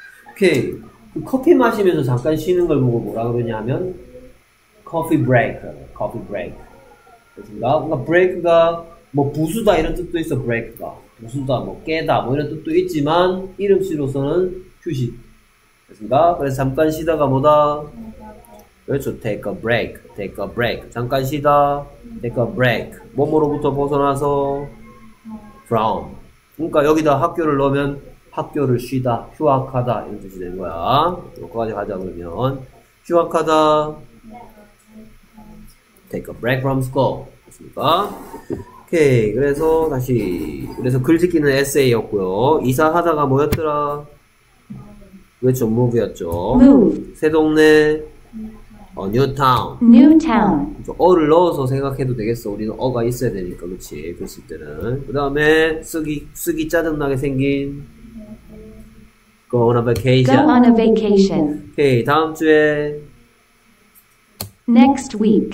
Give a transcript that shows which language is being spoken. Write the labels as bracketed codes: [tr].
[ko] 오케이. 커피 마시면서 잠깐 쉬는 걸 보고 뭐라 그러냐면 커피 브레이크. 됐습니까? 그러니까 브레이크가 뭐 부수다 이런 뜻도 있어. 브레이크가 부수다, 뭐 깨다 뭐 이런 뜻도 있지만 이름씨로서는 휴식. 됐습니까? 그래서 잠깐 쉬다가 뭐다? 그렇죠. [en] take a break. [ko] 잠깐 쉬다, [en] take a break. [ko] 뭐뭐로부터 벗어나서 from. 그러니까 여기다 학교를 넣으면 학교를 쉬다, 휴학하다 이런 뜻이 되는 거야. 여기까지 가자. 그러면 휴학하다, [en] take a break from school. [ko] 됐습니까? 오케이. 그래서 다시, 그래서 글짓기는 에세이였고요. 이사하다가 뭐였더라? 그렇죠. move였죠. [en] move. [ko] 새 동네, [en] a new town. new town. [ko] 어를 넣어서 생각해도 되겠어. 우리는 어가 있어야 되니까. 그렇지. 그랬을 때는. 그 다음에 쓰기 짜증나게 생긴 [en] Go on a vacation. Go on a vacation. [ko] Okay, 다음 주에 [en] Next week.